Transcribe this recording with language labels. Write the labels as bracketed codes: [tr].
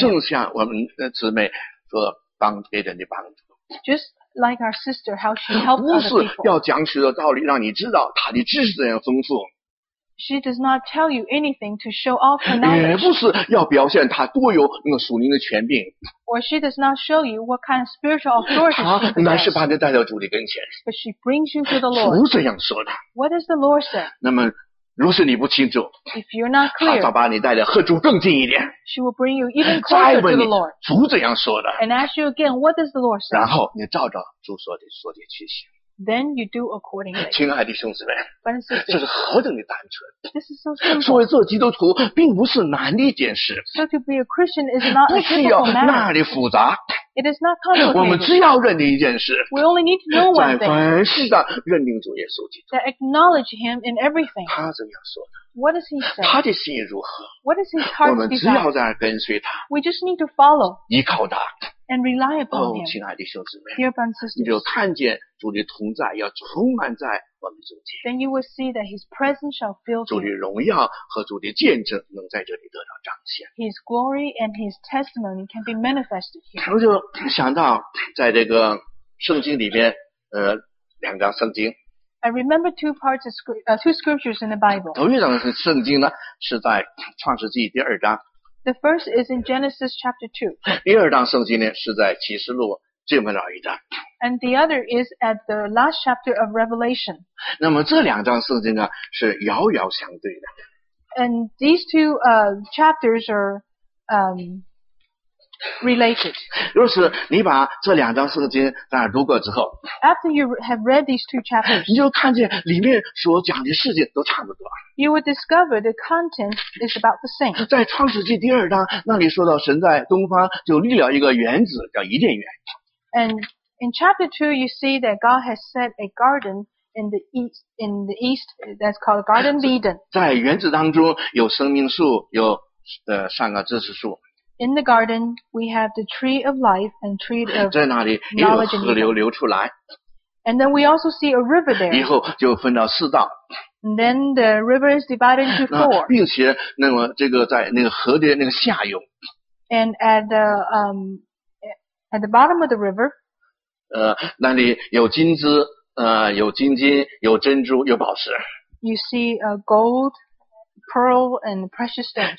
[zh] 正像我们的姊妹说帮别人的帮助。 [en] Just like our sister, how she helped other people. [zh] 不是要讲许多道理，让你知道他的知识怎样丰富。 [en] She does not tell you anything to show off her knowledge. [zh] 也不是要表现她多有那个属灵的权柄。 [en] Or she does not show you what kind of spiritual authority she possesses. [zh] 她乃是把你带到主的跟前。 [en] But she brings you to the Lord. [zh] 主这样说的。 [en] What does the Lord say? [zh] 那么如果你不清楚 [en] If you're not clear, [zh] 他早把你带得和主更近一点 [en] She will bring you even closer to the Lord. [zh] 主怎样说的 [en] And ask you again, what does the Lord say? [zh] 然后你照着主说的说的去行 [en] Then you do accordingly. [zh] 亲爱的兄弟们 [en] sisters, [zh] 这是何等的单纯 [en] This is so simple. [zh] 所以做基督徒并不是难的一件事 [en] So to be a Christian is not a typical matter. [zh] 不需要那里复杂 [en] It is not complicated. [zh] 我们只要认定一件事 [en] We only need to know one thing. [zh] 在凡事的认定主耶稣基督 [en] That acknowledge him in everything. [zh] 他怎么样说的 [en] What does he say? [zh] 他的心如何 [en] What is his heart [zh] 我们只要在那跟随他 [en] We just need to follow. [zh] 依靠他 [en] And rely upon him. [zh] 哦，亲爱的兄姊妹 [en] Dear brothers and sisters. [zh] 你就看见主的同在要充满在我们中间 [en] Then you will see that his presence shall fill you. [zh] 主的荣耀和主的见证能在这里得到彰显 [en] His glory and his testimony can be manifested here. [zh] 我就想到在这个圣经里面两章圣经 [en] I remember two scriptures in the Bible. [zh] 头一章圣经呢是在创世纪第二章 [en] The first is in Genesis chapter 2. [zh] 第二章圣经呢是在启示录最末了一章 [en] And the other is at the last chapter of Revelation. [zh] 那么这两章圣经呢是遥遥相对的 [en] And these two chapters are related. [zh] 若是你把这两章圣经在读过之后 [en] After you have read these two chapters, [zh] 你就看见里面所讲的事情都差不多 [en] You will discover the content is about the same. [zh] 在创世纪第二章那里说到神在东方就立了一个园子叫伊甸园 [en] And in chapter 2, you see that God has set a garden in the east that's called Garden of Eden. [zh] 在园子当中有生命树，有善恶知识树。 [en] In the garden, we have the tree of life and tree of knowledge. [zh] 在那里也有河流流出来。 [en] And then we also see a river there. [zh] 以后就分到四道。 [en] And then the river is divided into four. [zh] 并且那么这个在那个河的那个下游。 [en] And at the bottom of the river, [zh] 那里有金子，有金金，有珍珠，有宝石。 [en] You see a gold, pearl, and precious stones.